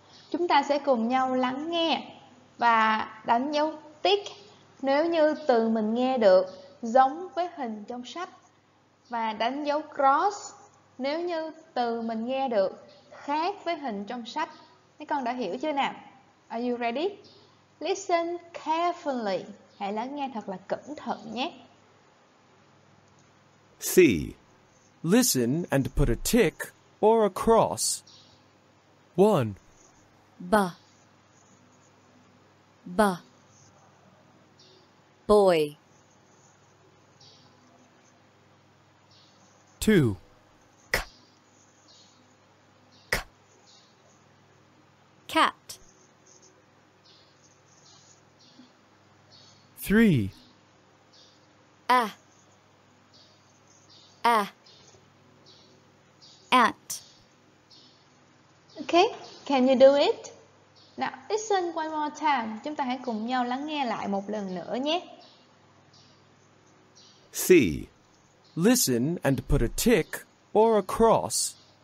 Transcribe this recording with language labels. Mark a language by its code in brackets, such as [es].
[vi] Chúng ta sẽ cùng nhau lắng nghe và đánh dấu tick nếu như từ mình nghe được giống với hình trong sách, và đánh dấu cross nếu như từ mình nghe được khác với hình trong sách. Mấy con đã hiểu chưa nào? [en] Are you ready? Listen carefully. [vi] Hãy lắng nghe thật là cẩn thận nhé. [en] C. Listen and put a tick or a cross. 1. Ba. Ba. Boy. 2. Cat. 3. Ah. Ah. Ant. Okay, can you do it? Now, listen one more time. [vi] Chúng ta hãy cùng nhau lắng nghe lại một lần nữa nhé. [en] C. Listen and put a tick or a cross.